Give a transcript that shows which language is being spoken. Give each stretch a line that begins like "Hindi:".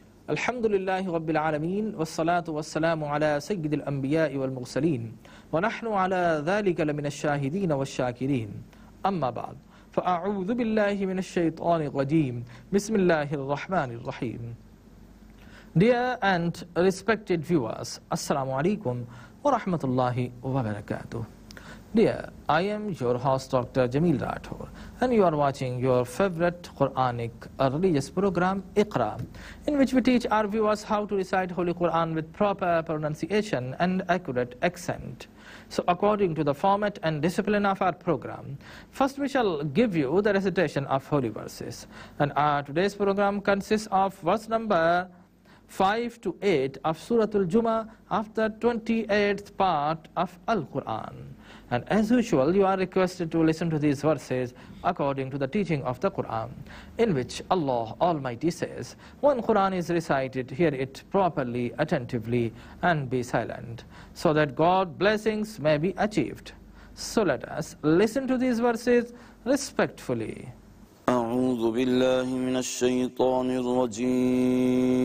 Arabic: الحمد لله رب العالمين والصلاة والسلام على سيد الأنبياء والمرسلين ونحن على ذلك لمن الشاهدين والشاكرين أما بعد فأعوذ بالله من الشيطان الرجيم بسم الله الرحمن الرحيم
English: Dear and respected viewers,
Arabic: Assalamu alaikum wa rahmatullahi wa barakatuh.
English: Dear, I am your host Dr. Jameel Rathor and you are watching your favorite Quranic religious program Iqra, in which we teach our viewers how to recite Holy Quran with proper pronunciation and accurate accent. So according to the format and discipline of our program, first we shall give you the recitation of holy verses. And our today's program consists of verse number 5-8 of Surah Al-Jumu'ah of the 28th part of Al-Quran. And as usual, you are requested to listen to these verses according to the teaching of the Quran, in which Allah Almighty says, when Quran is recited, hear it properly, attentively, and be silent, so that God's blessings may be achieved. So let us listen to these verses respectfully.
Arabic: أعوذ بالله من الشيطان الرجيم